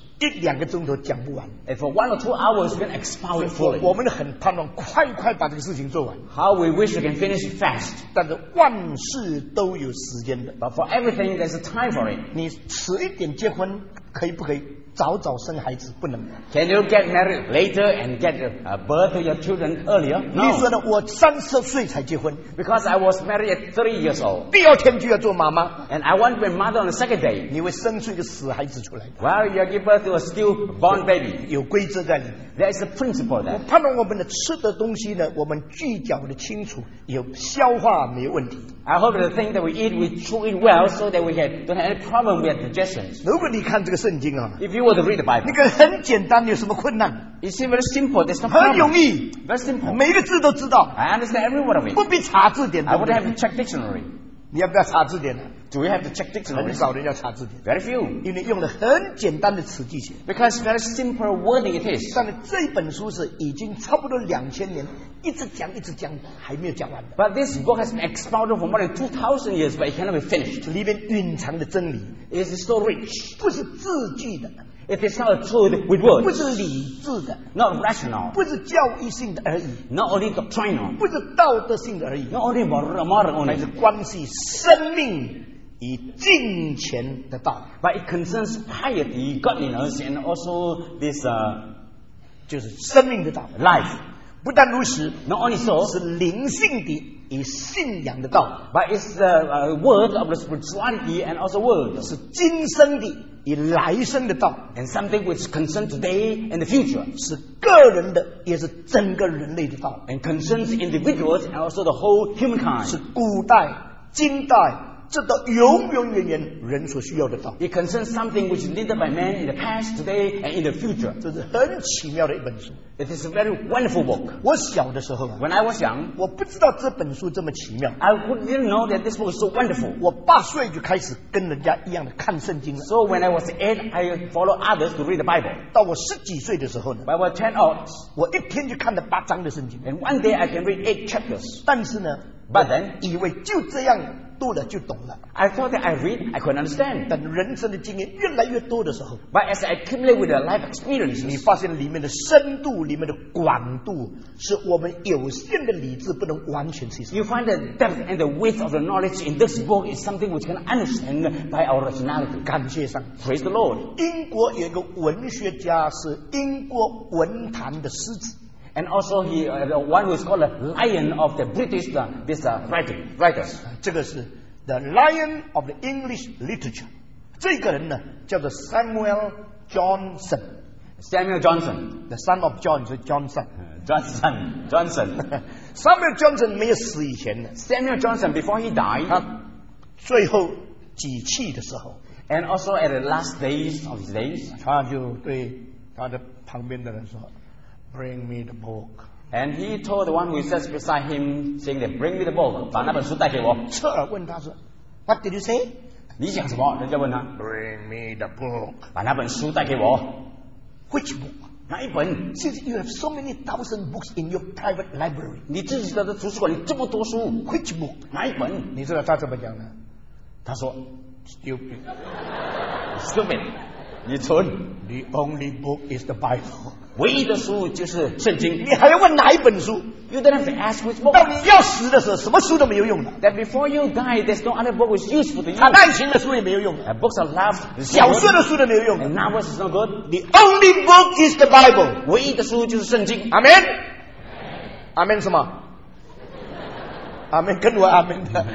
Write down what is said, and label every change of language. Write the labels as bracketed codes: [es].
[zh] 一两个钟头讲不完。 [en] And for one or two hours we can expound it fully。 [zh] 我们很盼望快快把这个事情做完。 [en] How we wish we can finish fast。 [zh] 但是万事都有时间的。 [en] But for everything there's a time for it。 [zh] 你迟一点结婚可以不可以？早早生孩子不能。 [en] Can you get married later and get a birth of your children earlier? No. [zh] 你说呢？我三十岁才结婚。 [en] Because I was married at 3 years old. [zh] 第二天就要做妈妈。 [en] And I want to be mother on the second day. [zh] 你会生出一个死孩子出来。 [en] Well, you give birth to a stillborn baby. [zh] 有规则在里面。 [en] There is a principle there. [zh] 我盼望我们的吃的东西呢，我们咀嚼的清楚，有消化没问题。 [en] I hope the thing that we eat, we chew it well, so that we don't have any problem with digestion. [zh] 如果你看这个圣经啊。 [en] Were to read the Bible. [zh] 那个很简单，有什么困难？ [en] It's very simple. There's no problem. [zh] 很容易。 [en] Very simple. [zh] 每一个字都知道。 [en] I understand every word of it. [zh] 不必查字典。 [en] I wouldn't have to check dictionary. [zh] 你要不要查字典？ [en] Do we have to check dictionary? [zh] 很少人要查字典。 [en] Very few. [zh] 因为用了很简单的词句写。 [en] Because very simple wording it is. [zh] 但是这本书是已经差不多2000年，一直讲一直讲，还没有讲完。 [en] But this book has been expounded for more than 2000 years, but it cannot be finished. [zh] 里面蕴藏的真理 [en] is so rich. [zh] 不是字句的。 [en] It is not a truth with words. [zh] 不是理智的。 [en] Not rational. [zh] 不是教义性的而已。 [en] Not only doctrinal. [zh] 不是道德性的而已。 [en] Not only moral only. [zh] 而是关系生命与金钱的道。 [en] But it concerns piety, godliness, and also this, [zh] 就是生命的道。 [en] Life. [zh] 不但如此。 [en] Not only so. [zh] 是灵性的与信仰的道。 [en] But it's the word of the spirituality and also word. [zh] 是今生的。以来生的道 [en] and something which concerns today and the future [zh] 是个人的也是整个人类的道 [en] and concerns individuals and also the whole humankind [zh] 是古代今代这都永永远远人所需要的道 [en] it concerns something which is needed by man in the past today and in the future [zh] 这是很奇妙的一本书 [en] it is a very wonderful book [zh] 我小的时候 [en] when I was young [zh] 我不知道这本书这么奇妙 [en] I didn't know that this book is so wonderful [zh] 我8岁就开始跟人家一样的看圣经了 [en] so when I was 8 I followed others to read the Bible [zh] 到我10几岁的时候呢 [en] when I was 10 old [zh] 我一天就看了8章的圣经 [en] and one day I can read 8 chapters [zh] 但是呢 [en] but then [zh] 以为就这样读了就懂了。 [en] I thought that I read, I couldn't understand. [zh] 但人生的经验越来越多的时候 [en] ，But as I accumulate with the life experiences, [zh] 你发现里面的深度、里面的广度，是我们有限的理智不能完全吸收。 [en] You find the depth and the width of the knowledge in this book is something which can understand by our rationality. [zh] 感谢上 [en] ，Praise the Lord. [zh] 英国有一个文学家是英国文坛的狮子。 [en] And also he, the one who is called the lion of the British, this writers. [zh] 这个是 [en] the lion of the English literature. [zh] 这个人呢叫做 Samuel Johnson. [en] Samuel Johnson. The son of John, so Johnson. Johnson. Johnson. [zh] Samuel Johnson 没有死以前呢。 [en] Samuel Johnson, before he died, [zh] 他最后几气的时候。 [en] And also at the last days of his days, [zh] 他就对他的旁边的人说 [en] Bring me the book. And he told the one who sits beside him, saying that, bring me the book. [zh] 把那本书带给我。侧耳问他说 [en] What did you say? [zh] 你讲什么？人家问他。 [en] Bring me the book. [zh] 把那本书带给我。 [en] Which book? [zh] 哪一本？ [en] Since you have so many thousand books in your private library. [zh] 你自己的图书馆里这么多书。 [en] Which book? [zh] 哪一本？你知道他怎么讲的？他说 [en] Stupid. Stupid. [zh] 你蠢。 [en] The only book is the Bible. [zh] 唯一的书就是圣经。你还要问哪一本书 [en] ？You don't have to ask which book。 [zh] 到你要死的时候，什么书都没有用的。 [en] That before you die, there's no other book which is useful to you。 [zh] 谈爱情的书也没有用。 [en] Books of love。 [zh] 小说的书都没有用。 [en] And novels is no good。 The only book is the Bible。 [zh] 唯一的书就是圣经。 Amen。 Amen 什么？ Amen 跟我 Amen 的。